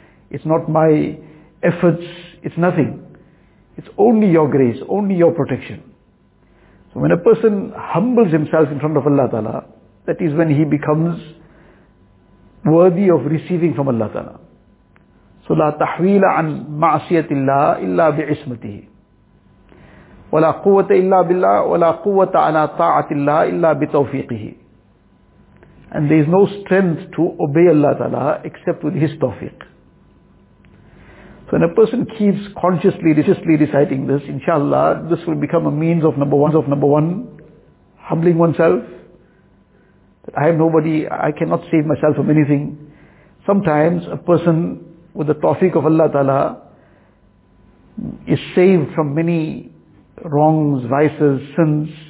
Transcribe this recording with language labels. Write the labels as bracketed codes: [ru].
[en] It's not my efforts, it's nothing. It's only your grace, only your protection. So when a person humbles himself in front of Allah Ta'ala, that is when he becomes worthy of receiving from Allah Ta'ala. [ar] So لا تحويل عن معصية الله إلا بعصمته ولا قوة إلا بالله ولا قوة على طاعة الله إلا بتوفيقه. [en] And there is no strength to obey Allah Ta'ala except with His tawfiq. So when a person keeps consciously, religiously reciting this, inshallah, this will become a means of number one, humbling oneself. That I have nobody, I cannot save myself from anything. Sometimes a person with the tawfiq of Allah Ta'ala is saved from many wrongs, vices, sins.